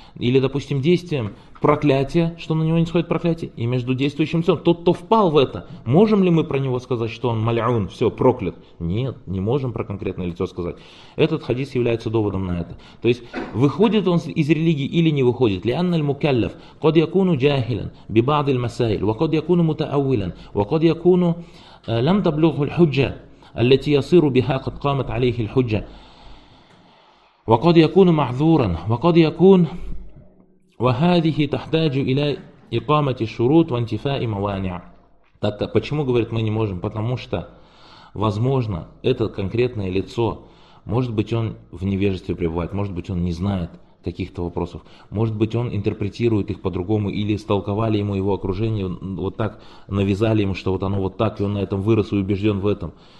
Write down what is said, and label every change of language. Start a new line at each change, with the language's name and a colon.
Russian: Или, допустим, действием проклятия, что на него не сходит проклятие, и между действующим лицом. Тот, кто впал в это, можем ли мы про него сказать, что он маляун, все, проклят? Нет, не можем про конкретное лицо сказать. Этот хадис является доводом на это. То есть, выходит он из религии или не выходит?
Arabic: لأن المكلف قد يكون جاهلا ببعض المسائل وقد يكون متأولا وقد يكون لم تبلغه الحجة التي يصير بها قد قامت عليه الحجة وقد يكون معذورا وقد يكون وهذه تحتاج الى اقامه الشروط وانتفاء موانع.
Russian: Так почему говорит мы не можем? Потому что возможно это конкретное лицо, может быть он в невежестве пребывает, может быть он не знает каких-то вопросов, может быть он интерпретирует их по-другому или истолковали ему его окружение вот так, навязали ему, что вот оно вот так, и он на этом вырос и убежден в этом.